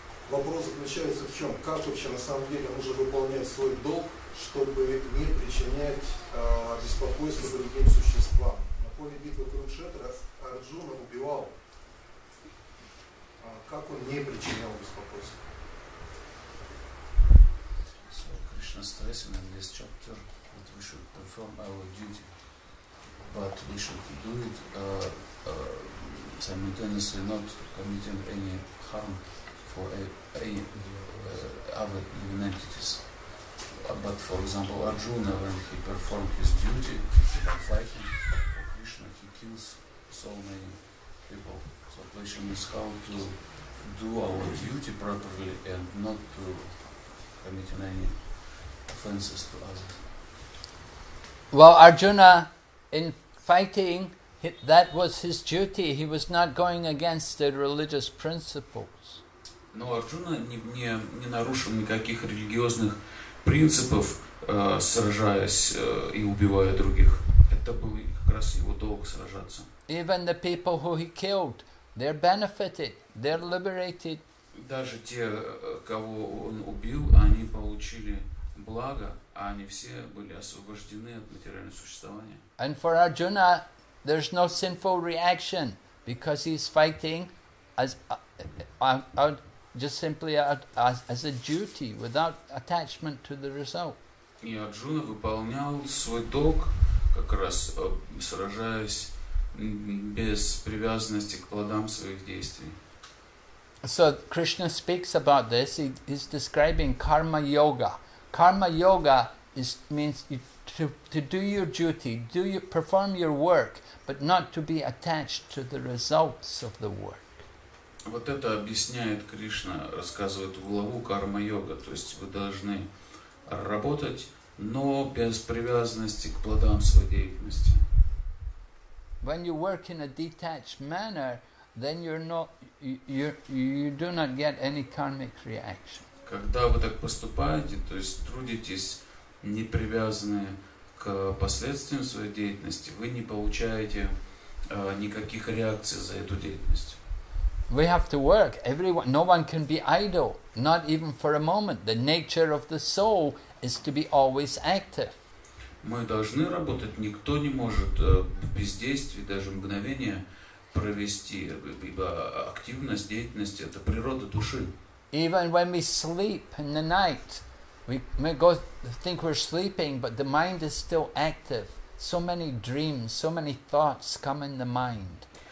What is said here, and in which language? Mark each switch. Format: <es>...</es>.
<ru>Вопрос заключается в чем? Как вообще на самом деле нужно выполнять свой долг, чтобы не причинять беспокойство другим существам? На поле битвы Курукшетра Арджуна убивал. Как он не причинял беспокойство?</ru> <en>So, Krishna stressing in this chapter that we should perform our duty, but we should do it simultaneously, not committing any harm for other living entities. But for example, Arjuna, when he performed his duty fighting for Krishna, he kills so many people. So the question is how to do our duty properly and not to commit any offenses to others. Well, Arjuna, in fighting, that was his duty. He was not going against the religious principles.</en> <ru>Но Арджуна не нарушил никаких религиозных принципов, сражаясь и убивая других. Это был как раз его долг сражаться.</ru> <en>Even the people who he killed, they're benefited, they're liberated.</en> <ru>Даже те, кого он убил, они получили благо, а они все были освобождены от материального существования.</ru> <en>And for Arjuna, there's no sinful reaction because he's fighting as a duty without attachment to the result.</en> <ru>И Арджуна выполнял свой долг, как раз сражаясь без привязанности к плодам своих действий.</ru> <en>So Krishna speaks about this. He's describing karma yoga. Karma yoga means to do your duty, perform your work, but not to be attached to the results of the work.</en> <ru>Вот это объясняет Кришна, рассказывает главу карма йога. То есть вы должны работать, но без привязанности к плодам своей деятельности.</ru> <en>When you work in a detached manner, then you do not get any karmic reaction.</en> <ru>Когда вы так поступаете, то есть трудитесь, не привязанные к последствиям своей деятельности, вы не получаете никаких реакций за эту деятельность.</ru> <en>We have to work. Everyone, no one can be idle, not even for a moment. The nature of the soul is to be always active.</en> <ru>Мы должны работать. Никто не может бездействие, даже мгновение провести, ибо активность деятельности – это природа души.</ru> <en>Even when we sleep in the night, we may go think we're sleeping, but the mind is still active. So many dreams, so many thoughts come in the mind.</en>